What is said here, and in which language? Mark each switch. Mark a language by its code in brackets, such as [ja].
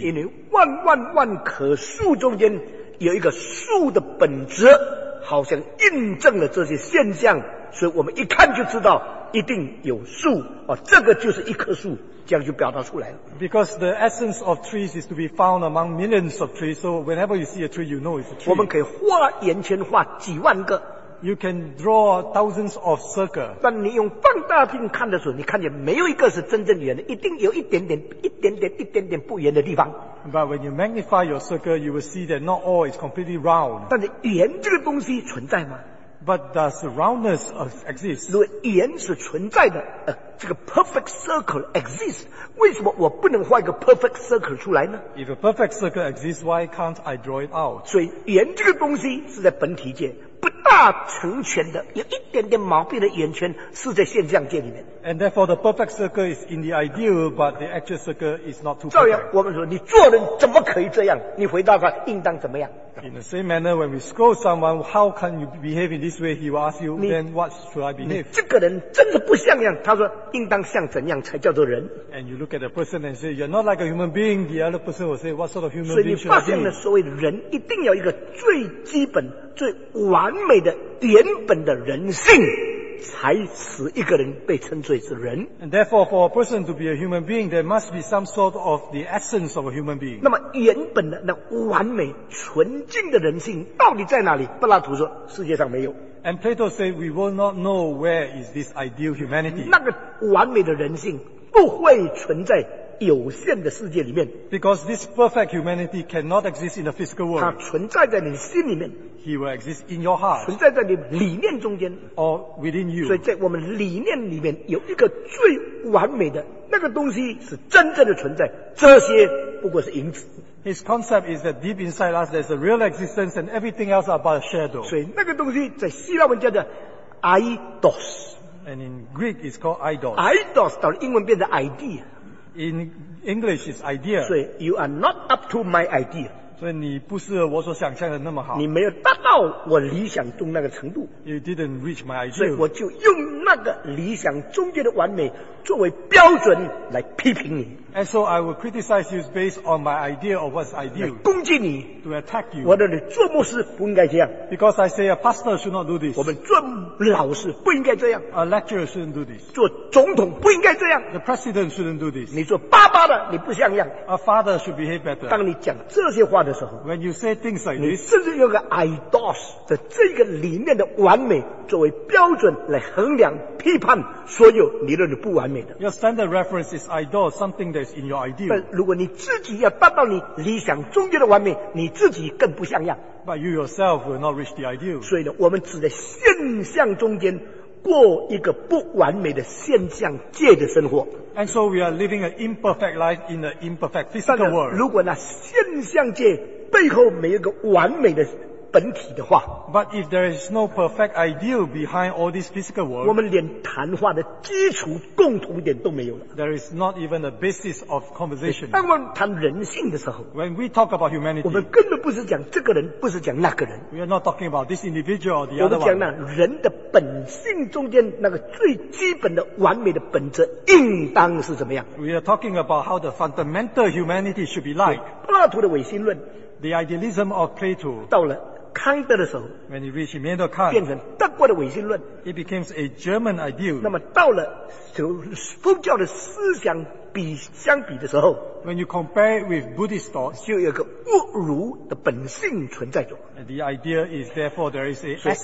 [zh] 因为万万万棵树中间有一个树的本质，好像印证了这些现象，所以我们一看就知道一定有树，这个就是一棵树，这样就表达出来了。 [en] Because the essence of trees is to be found among millions of trees, so whenever you see a tree, you know it's a tree. [zh] 我们可以画圆圈画几万个。 [en] You can draw thousands of circles. [zh] 但你用放大镜看的时候，你看见没有一个是真正圆的，一定有一点点、一点点、一点点不圆的地方。 [en] But when you magnify your circle, you will see that not all is completely round. [zh] 但是圆这个东西存在吗？ [en] But does roundness exist? [zh] 如果圆是存在的，这个 [en] perfect circle exists, [zh] 为什么我不能画一个 perfect circle 出来呢？ [en] If a perfect circle exists, why can't I draw it out? [zh] 所以圆这个东西是在本体界，不大成全的，有一点点毛病的圆圈是在现象界里面。 [en] And therefore, the perfect circle is in the ideal, but the actual circle is not too perfect. [zh] 照样，我们说你做人怎么可以这样？你回答他应当怎么样？ [en] In the same manner, when we scold someone, how can you behave in this way? He will ask you, then what should I behave? [zh] 这个人真的不像样，他说应当像怎样才叫做人。 [en] And you look at the person and say, you're not like a human being. The other person will say, what sort of human being should I be? [zh] 所以你发现了所谓人一定要一个最基本、最完美的原本的人性。才使一个人被称作是人。 [en] And therefore, for a person to be a human being, there must be some sort of the essence of a human being. [zh] 那么原本的那完美纯净的人性到底在哪里？柏拉图说世界上没有。 [en] And Plato said, we will not know where is this ideal humanity. [zh] 那个完美的人性不会存在有限的世界里面。 [en] Because this perfect humanity cannot exist in the physical world. [zh] 它存在在你心里面。 [en] He will exist in your heart. [zh] 存在在你理念中间。 [en] Or within you. [zh] 所以在我们理念里面有一个最完美的那个东西是真正的存在，这些不过是影子。 [en] His concept is that deep inside us there's a real existence and everything else are but a shadow. [zh] 所以那个东西在希腊文叫做 eidos. [en] And in Greek it's called eidos. [zh] Eidos 到英文变成 idea. [en] In English, it's idea. So you are not up to my idea. [zh] 所以你不是我所想象的那么好。你没有达到我理想中那个程度。 [en] You didn't reach my idea. [zh] 所以我就用那个理想中间的完美作为标准来批评你。 [en] And so I will criticize you based on my idea of what's ideal. [zh] 来攻击你。 [en] To attack you. [zh] 我说你做牧师不应该这样。 [en] Because I say a pastor should not do this. [zh] 我们做老师不应该这样。 [en] A lecturer shouldn't do this. [zh] 做总统不应该这样。 [en] The president shouldn't do this. [zh] 你做爸爸的你不像样。 [en] A father should behave better. [zh] 当你讲这些话的时候。 [en] When you say things like this. [zh] 你甚至用个 idos 的这个理念的完美作为标准来衡量批判所有理论的不完美的。 [en] Your standard reference is idos, something that in your ideal. [zh] 但如果你自己要达到你理想中间的完美，你自己更不像样。 [en] But you yourself will not reach the ideal. [zh] 所以呢，我们只在现象中间过一个不完美的现象界的生活。 [en] And so we are living an imperfect life in an imperfect physical world. [zh] 如果那现象界背后没有一个完美的本体的话， [en] But if there is no perfect ideal behind all this physical world, [zh] 我们连谈话的基础共同点都没有了。 [en] There is not even a basis of conversation. [zh] 当我们谈人性的时候， [en] When we talk about humanity, [zh] 我们根本不是讲这个人，不是讲那个人。 [en] We are not talking about this individual or the other one. [zh] 我们讲那人的本性中间那个最基本的完美的本质应当是怎么样。 [en] We are talking about how the fundamental humanity should be like. [zh] 柏拉图的唯心论， [en] The idealism of Plato, [zh] 到了康德的时候， [en] When he reached Immanuel Kant, [zh] 变成德国的唯心论， [en] it becomes a German ideal. [zh] 那么到了佛教的思想比相比的时候， [en] When you compare it with Buddhist thought, [zh] 就有一个物如的本性存在着。 [en] And the idea is therefore there is a essence.